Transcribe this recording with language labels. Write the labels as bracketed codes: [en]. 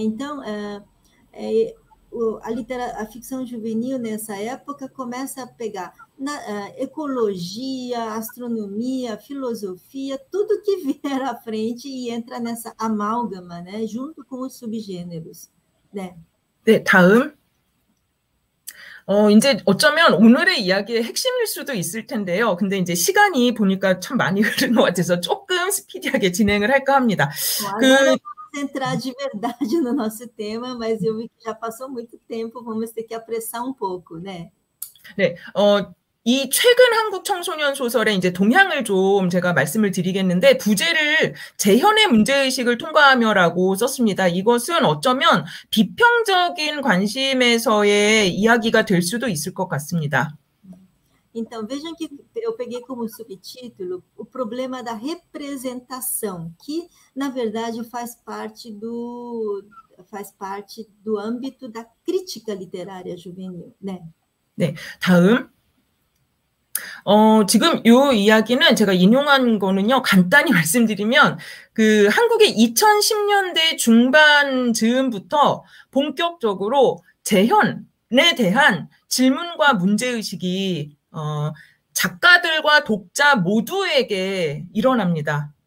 [pt] Então, a ficção juvenil nessa época começa a pegar ecologia, astronomia, filosofia, tudo que vier à frente e entra nessa amálgama, né, junto com os subgêneros, né? [ko] 네, 다음. 이제 어쩌면 오늘의 이야기의 핵심일 수도 있을 텐데요. 근데 이제 시간이 보니까 참 많이 흐른 것 같아서 조금 스피디하게 진행을 할까 합니다. [pt] Agora vamos entrar de verdade no nosso tema, mas eu vi que já passou muito tempo, vamos ter que apressar um pouco, né? [ko] 네, 이 최근 한국 청소년 소설의 이제 동향을 좀 제가 말씀을 드리겠는데, 부제를 재현의 문제의식을 통과하며라고 썼습니다. 이것은 어쩌면 비평적인 관심에서의 이야기가 될 수도 있을 것 같습니다. [pt] Então, vejam que eu peguei como subtítulo o problema da representação, que, na verdade, faz parte do âmbito da crítica literária juvenil, né? [ko] 네, 다음. 지금 이 이야기는 제가 인용한 거는요, 간단히 말씀드리면, 그 한국의 2010년대 중반 즈음부터 본격적으로 재현에 대한 질문과 문제의식이 작가들과 독자 모두에게 일어납니다.